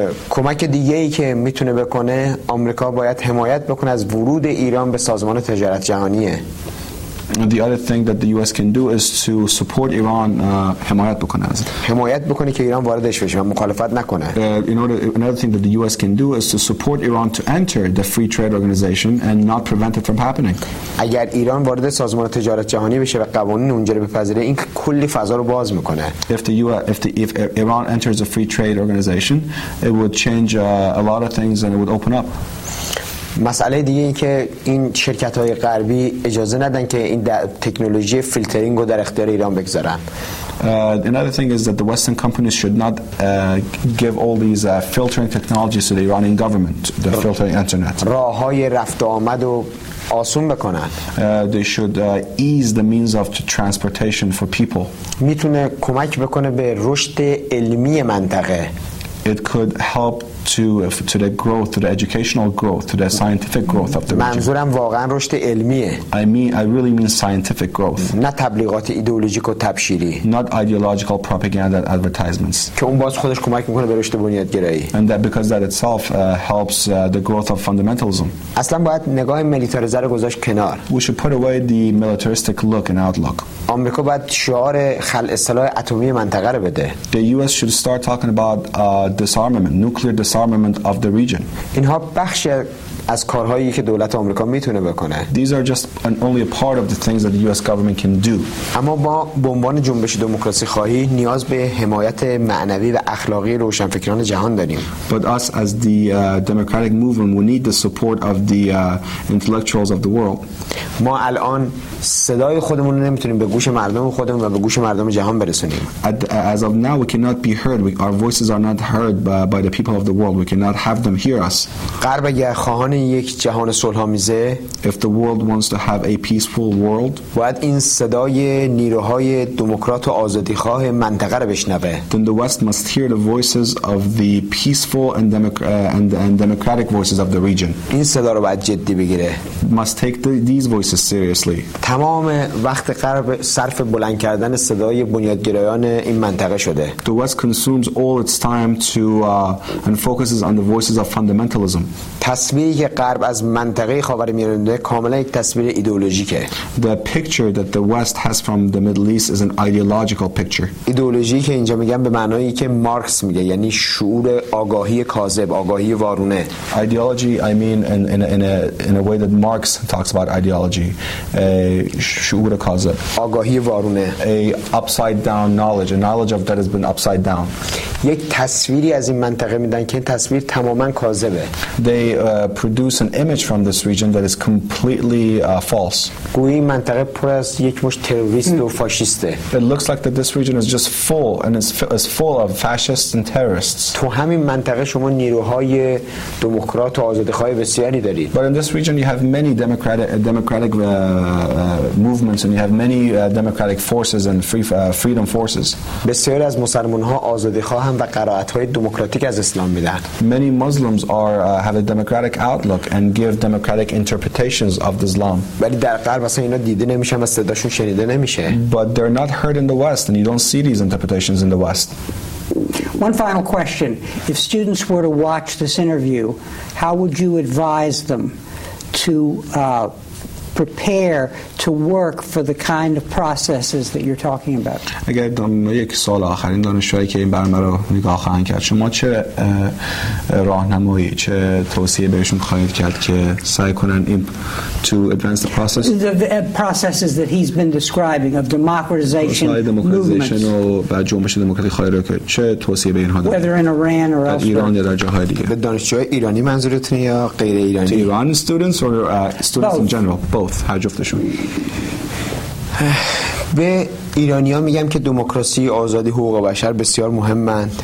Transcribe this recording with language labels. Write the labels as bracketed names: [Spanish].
[Persian] کمک دیگه‌ای که میتونه بکنه، آمریکا باید حمایت بکنه از ورود ایران به سازمان تجارت جهانیه. [English] And the other thing that the US can do is to support Iran [Persian] حمایت بکنه از حمایت بکنه که ایران واردش بشه و مخالفت نکنه [English] another thing that the US can do is to support Iran to enter the free trade organization and not prevent it from happening [Persian] اگر ایران وارد سازمان تجارت جهانی بشه و قوانین اونجا رو بپذیره این کلی فضا رو باز میکنه [English] if Iran enters a free trade organization it would change a lot of things and it would open up [Persian] مسئله دیگه این که این شرکت‌های غربی اجازه ندن که این تکنولوژی فیلترینگ رو در اختیار ایران بگذارن. [English] Another thing is that the Western companies should not give all these filtering technologies to the Iranian government, the filtering internet. [Persian] راه‌های رفت و آمد رو آسون بکنن. [English] They should ease the means of transportation for people. [Persian] میتونه کمک بکنه به رشد علمی منطقه. [English] It could help to the growth, to the educational growth, to the scientific growth of the region. [Persian] منظورم واقعا رشد علمیه. [English] I really mean scientific growth. [Persian] نه تبلیغات ایدئولوژیک و تبشیری. [English] Not ideological propaganda and advertisements. [Persian] که اون باز خودش کمک میکنه به رشد بنیادگرایی. [English] And that because that itself helps the growth of fundamentalism. [Persian] اصلا باید نگاه ملیتاریزه رو گذاشت کنار. [English] We should put away the militaristic look and outlook. [Persian] آمریکا باید شعار خلع سلاح اتمی منطقه رو بده. [English] The US should start talking about disarmament, nuclear disarmament of the region. [Persian] اینها بخش از کارهایی که دولت آمریکا میتونه بکنه. [English] These are just and only a part of the things that the US government can do. [Persian] اما با بمبان جنبش دموکراسی خواهی نیاز به حمایت معنوی و اخلاقی روشنفکران جهان داریم. [English] But us as the democratic movement we need the support of the intellectuals of the world. [Persian] ما الان صدای خودمون رو نمیتونیم به گوش مردم خودمون و به گوش مردم جهان برسونیم. [English] As of now we cannot be heard. Our voices are not heard by the people of the world. We cannot have them hear us. [Persian] غرب اگر خواهان یک جهان صلح‌آمیزه، [English] if the world wants to have a peaceful world, [Persian] باید این صدای نیروهای دموکرات و آزادی‌خواه منطقه رو بشنوه. [English] Then the West must hear the voices of the peaceful and democratic voices of the region. [Persian] این صدا رو باید جدی بگیره. [English] Must take these voices seriously. [Persian] تمام وقت غرب صرف بلند کردن صدای بنیادگرایان این منطقه شده. [English] The West consumes all its time to and focuses on the voices of fundamentalism. [Persian] تصویری که غرب از منطقه خاورمیانه کاملا یک تصویر ایدئولوژیکه. [English] The picture that the West has from the Middle East is an ideological picture. [Persian] ایدئولوژی که اینجا میگم به معنایی که مارکس میگه، یعنی شعور آگاهی کاذب، آگاهی وارونه. [English] Ideology I mean in a way that Marx talks about ideology. [Persian] شعور کاذب. آگاهی وارونه. [English] A upside down knowledge, a knowledge of that has been upside down. [Persian] یک تصویری از این منطقه میدن که این تصویر تماما کاذبه. [English] Produce an image from this region that is completely false. [Persian] گویی منطقه پر از یک مش تروریست و فاشیسته. [English] It looks like that this region is just full and is full of fascists and terrorists. [Persian] تو همین منطقه شما نیروهای دموکرات و آزادی‌خواه بسیاری دارید. [English] But in this region you have many democratic movements and you have many democratic forces and freedom forces. [Persian] بسیاری از مسلمان‌ها آزادی‌خواه هم و قرائت‌های دموکراتیک از اسلام می‌دهند. [English] Many Muslims have a democratic outlook and give democratic interpretations of Islam. [Persian] ولی در غرب اصلا اینا دیده نمیشن و صداشون شنیده نمیشه. [English] But they're not heard in the West and you don't see these interpretations in the West. One final question. If students were to watch this interview, how would you advise them to prepare to work for the kind of processes that you're talking about? [Persian] اگر یک سال آخرین دانشجویی که این برنامه رو نگاه خواهند کرد، شما چه راهنمایی، چه توصیه بهشون خواهید کرد که سعی کنن [English] to advance the process? The processes that he's been describing of democratization movements. [Persian] بعد جنبش دموکراسی خواهی رو که چه توصیه به اینها دارید؟ [English] Whether in Iran or elsewhere. [Persian] ایران یا در جاهای دیگه. به دانشجوی ایرانی منظورتون یا غیر ایرانی؟ [English] To Iran students or students in general? Both. [Persian] هر جفتشون. به ایرانی ها میگم که دموکراسی، آزادی، حقوق بشر بسیار مهمند.